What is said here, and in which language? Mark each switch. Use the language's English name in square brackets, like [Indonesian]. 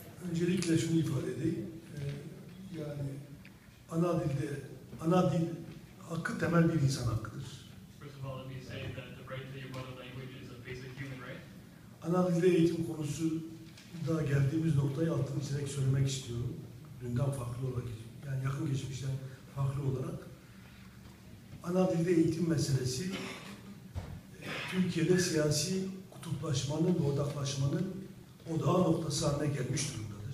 [Turkish] Öncelikle şunu ifade edeyim. Yani ana dilde, ana dil hakkı temel bir insan hakkıdır. [English] First of all, let me say that the right to your mother language is a basic human right. [Turkish] Ana dilde eğitim konusu daha geldiğimiz noktayı altını çizerek söylemek istiyorum. Dünden farklı olarak, yani yakın geçmişten farklı olarak. Ana dilde eğitim meselesi Türkiye'de siyasi kutuplaşmanın ve odaklaşmanın odağı noktası haline gelmiş durumda.